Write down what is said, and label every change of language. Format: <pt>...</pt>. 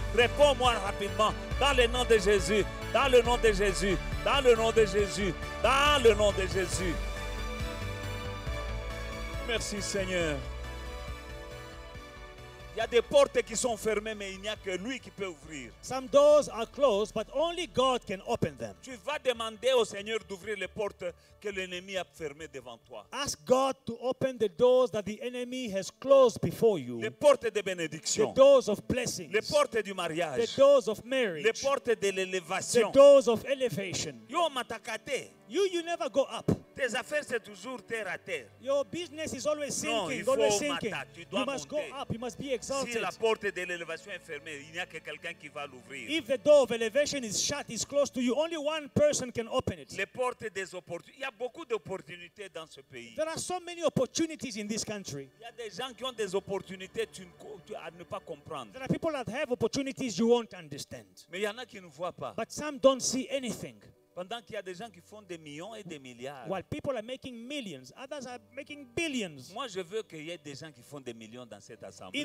<fr>Réponds-moi rapidement dans le nom de Jésus, dans le nom de Jésus. Merci Seigneur. Il y a des portes qui sont fermées, mais il n'y a que lui qui peut ouvrir.</fr> <en>Some doors are closed, but only God can open them.</en> <fr>Tu vas demander au Seigneur d'ouvrir les portes que l'ennemi a fermées devant toi.</fr> <en>Ask God to open the doors that the enemy has closed before you.</en> <fr>Les portes de bénédiction.</fr> <en>The doors of blessings.</en> <fr>Les portes du mariage.</fr> <en>The doors of marriage.</en> <fr>Les portes de l'élévation.</fr> <en>The doors of elevation.</en> <ln>Yo matakate.</ln> <en>You never go up.</en> <fr>Tes affaires c'est toujours terre à terre.</fr> <en>Your business is always sinking.</en> <fr>Non, il faut</fr> <en>sinking.</en> <fr>Tu dois</fr> <en>you must</en> <fr>monter.</fr> <en>Go up. You must be exalted.</en> <fr>Si la porte de l'élévation est fermée, il n'y a que quelqu'un qui va l'ouvrir.</fr> <en>If the door of elevation is shut, is closed to you, only one person can open it.</en> <fr>Les portes des opportunités. Il y a beaucoup d'opportunités dans ce pays.</fr> <en>There are so many opportunities in this country.</en> <fr>Il y a des gens qui ont des opportunités à ne pas comprendre.</fr> <en>There are people that have opportunities you won't understand.</en> <fr>Mais il y en a qui ne voient pas.</fr> <en>But some don't see anything.</en> <fr>Pendant qu'il y a des gens qui font des millions et des milliards.</fr> <en>While people are making millions, others are making billions.</en> <fr>Moi, je veux qu'il y ait des gens qui font des millions dans cette assemblée.</fr>